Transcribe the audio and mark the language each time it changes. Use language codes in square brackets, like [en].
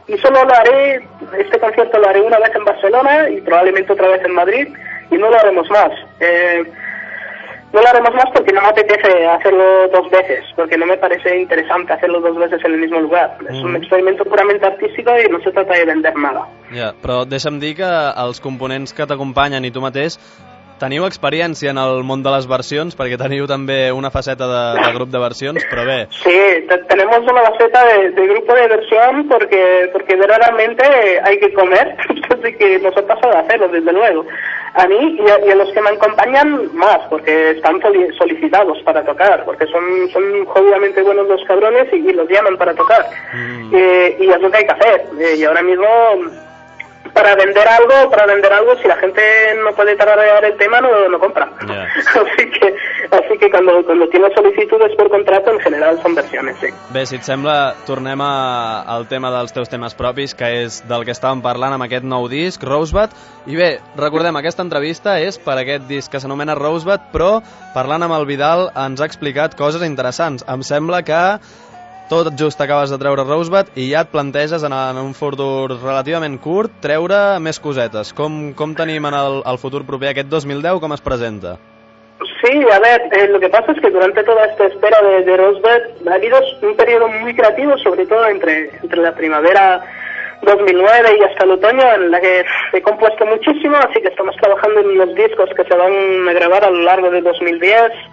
[es] Y solo lo haré, este concierto lo haré una vez en Barcelona y probablemente otra vez en Madrid, y no lo haremos más. No lo haremos más porque no me apetece hacerlo dos veces, porque no me parece interesante hacerlo dos veces en el mismo lugar. Es un experimento puramente artístico y no se trata de vender nada. [ca] Ja, però deixa'm dir que els components que t'acompanyen i tu mateix teniu experiència en el món de les versions, perquè teniu també una faceta de grup de versions, però bé. [es] Sí, tenemos una faceta de grupo de versión porque verdaderamente hay que comer, así que nos ha pasado a hacerlo, desde luego. A mí y a los que me acompañan más, porque están solicitados para tocar, porque son jodidamente buenos los cabrones y los llaman para tocar. Y es lo que hay que hacer. Y ahora mismo para vender algo, si la gente no puede tararear el tema, no compra. Yeah. Así que cuando tiene solicitudes por contrato, en general son versiones, sí. [ca] Bé, si et sembla, tornem al tema dels teus temes propis, que és del que estàvem parlant amb aquest nou disc, Rosebud. I bé, recordem, aquesta entrevista és per aquest disc que s'anomena Rosebud, però parlant amb el Vidal ens ha explicat coses interessants. Em sembla que tot just acabes de treure Rosebud i ja et planteges en un futur relativament curt treure més cosetes. Com tenim en el futur proper aquest 2010? Com es presenta? [es] Sí, a ver, lo que pasa es que durante toda esta espera de Rosebud ha habido un periodo muy creativo, sobre todo entre la primavera 2009 y hasta el otoño, en la que he compuesto muchísimo, así que estamos trabajando en los discos que se van a grabar a lo largo de 2010.